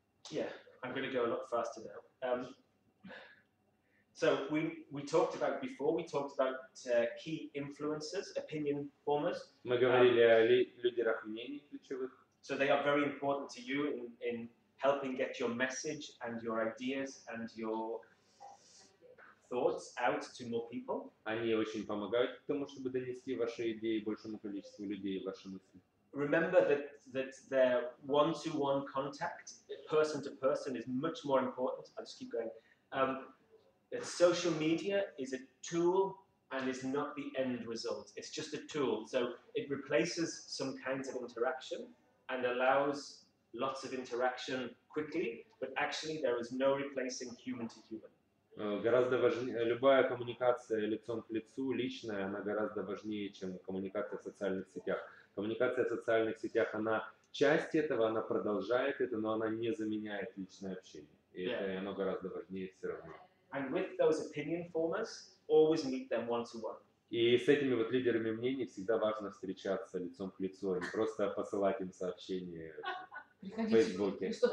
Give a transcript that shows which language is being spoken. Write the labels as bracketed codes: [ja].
[en] Yeah, I'm going to go a lot faster now. So we talked about before, we talked about key influencers, opinion formers. [ru] Мы говорили о лидерах мнений ключевых. [en] So they are very important to you in helping get your message and your ideas and your thoughts out to more people. [ru] Они очень помогают тому, чтобы донести ваши идеи большему количеству людей, ваши мысли. [en] Remember that their one-to-one contact, person-to-person, is much more important. I'll just keep going. That social media is a tool and is not the end result. It's just a tool. So it replaces some kinds of interaction and allows lots of interaction quickly, but actually there is no replacing human to human. [ru] Гораздо важнее, любая коммуникация лицом к лицу, личная, она гораздо важнее, чем коммуникация в социальных сетях. Коммуникация в социальных сетях, она часть этого, она продолжает это, но она не заменяет личное общение. И это, yeah. оно гораздо важнее все равно. [en] And with those opinion formers, always meet them one to one. [ru] И с этими вот лидерами мнений всегда важно встречаться лицом к лицу, не просто посылать им сообщение в Фейсбуке.